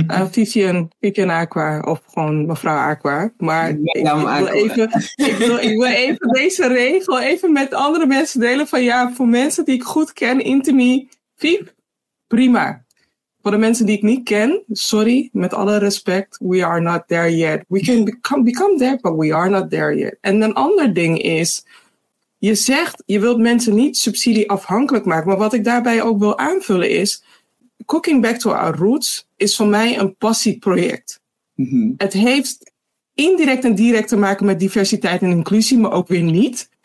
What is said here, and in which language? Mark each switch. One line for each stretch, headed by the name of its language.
Dutch: Vivian Aqua of gewoon mevrouw Aqua. Maar ik wil even deze regel even met andere mensen delen. Van ja, voor mensen die ik goed ken, intimi, Viv, prima. Voor de mensen die ik niet ken, sorry, met alle respect,
English: we are not there yet. We can become there, but we are not there yet.
Dutch: En een ander ding is, je zegt, je wilt mensen niet subsidie afhankelijk maken. Maar wat ik daarbij ook wil aanvullen is, Cooking Back to Our Roots is voor mij een passieproject. Mm-hmm. Het heeft indirect en direct te maken met diversiteit en inclusie, maar ook weer niet.